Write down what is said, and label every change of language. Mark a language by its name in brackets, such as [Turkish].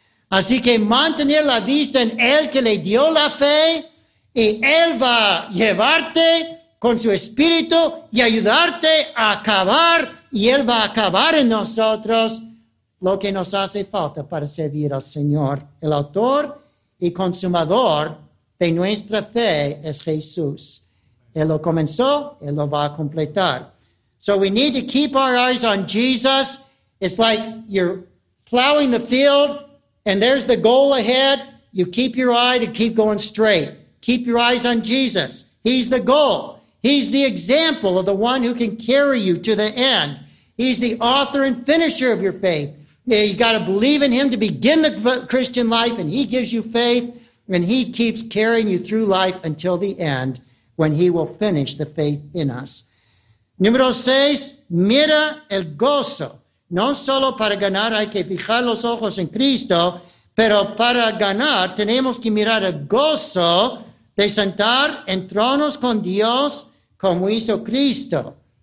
[Spanish] Así que mantener la vista en el que le dio la fe y Él va a llevarte con su espíritu y ayudarte a acabar. Y Él va a acabar en nosotros lo que nos hace falta para servir al Señor. El autor y consumador de nuestra fe es Jesús. Él lo comenzó, Él lo va a completar. [English] So we need to keep our eyes on Jesus. It's like you're plowing the field and there's the goal ahead. You keep your eye to keep going straight. Keep your eyes on Jesus. He's the goal. He's the example of the one who can carry you to the end. He's the author and finisher of your faith. You got to believe in him to begin the Christian life, and he gives you faith, and he keeps carrying you through life until the end when he will finish the faith in us. [Spanish] Número seis, mira el gozo. No solo para ganar hay que fijar los ojos en Cristo, pero para ganar tenemos que mirar el gozo de sentar en tronos con Dios como hizo Cristo.